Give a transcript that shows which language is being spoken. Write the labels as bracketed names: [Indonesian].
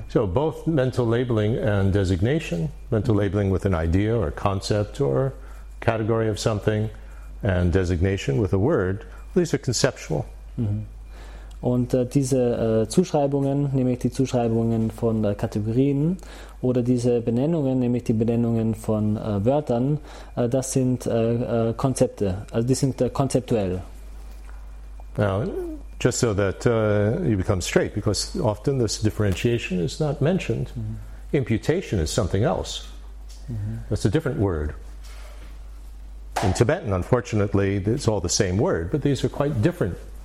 [English] So both mental labeling and designation, mental labeling with an idea or concept or category of something, and designation with a word, these are conceptual. Mhm. [German] Und diese Zuschreibungen, nämlich die Zuschreibungen von Kategorien, oder diese Benennungen, nämlich die Benennungen von Wörtern, das sind Konzepte, also die sind konzeptuell. [English] Now, just so that you become straight, because often this differentiation is not mentioned. Mm-hmm. Imputation is something else. Mm-hmm. That's a different word. In Tibetan, unfortunately, it's all the same word, but these are quite different.